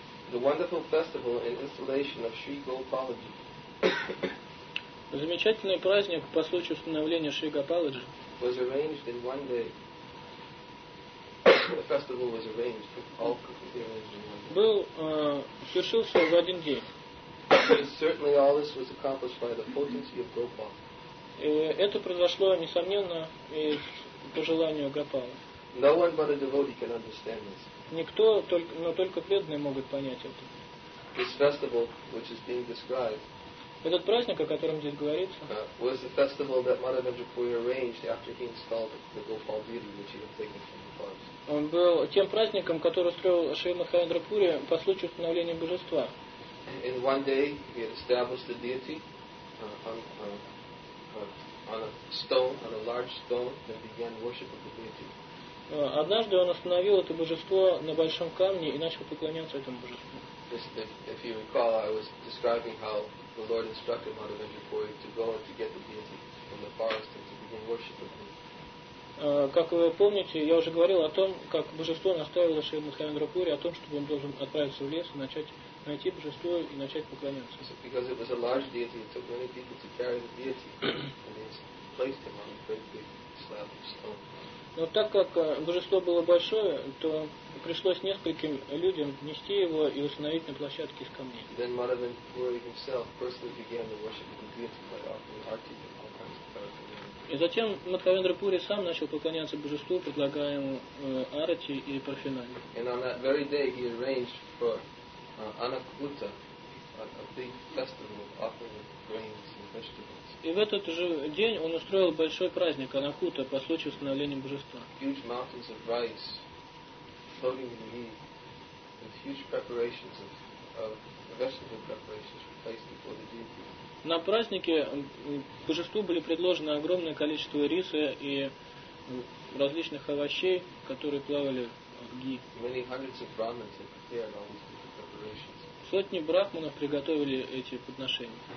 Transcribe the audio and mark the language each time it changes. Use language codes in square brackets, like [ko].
[en] The wonderful festival and installation of Sri Gopalaji. [ru] Замечательный праздник по случаю установления Шри Гопаладжи [en] was arranged in one day. The festival was arranged all [ru] был совершился в один день. [en] Certainly all this was accomplished by the potency of Gopal. [ru] Это произошло несомненно из по желанию Гопалы. [en] No one but a devotee can understand this. [ru] Никто только, но только преданные могут понять это. [en] This festival, which is being described, [ru] этот праздник, о котором здесь говорится, [en] was the festival that Madhavendra Puri arranged after he installed the Gopal deity, which he had taken from the forest. [ru] Он был тем праздником, который устроил Шри Мадхавендра Пури по случаю установления божества. [en] In one day he had established the deity on a stone, on a large stone, and began worship of the deity. [ru] Однажды он установил это божество на большом камне и начал поклоняться этому божеству. [en] If you recall, I was describing how the Lord instructed Madhavendra Puri to go and to get the deity from the forest and to begin worshiping him. [ru] Как вы помните, я уже говорил о том, как божество наставило Шри Мадхавендра Пури о том, чтобы он должен отправиться в лес и начать найти божество и начать поклоняться. [en] Because it was a large deity, it took many people to carry the deity, and they placed him on a great big slab of stone. [ru] Но так как божество было большое, то пришлось нескольким людям нести его и установить на площадке из камней. [en] Then Madhavendra Puri himself personally began to worship the deity by offering arti and all kinds of paraphernalia. [ru] И затем Мадхавендра Пури сам начал поклоняться божеству, предлагая ему арати и парафернали. [en] And on that very day he arranged for Anakuta a big festival of offering grains and vegetables. [ru] И в этот же день он устроил большой праздник Анахута по случаю установления божества. [en] Huge mountains of rice floating in the air, with huge preparations of vegetable preparations placed before the deity. [ru] На празднике божеству были предложены огромное количество риса и различных овощей, которые плавали в ги. [en] Many hundreds of brahmins had prepared all these different preparations. [ru] Сотни брахманов приготовили эти подношения.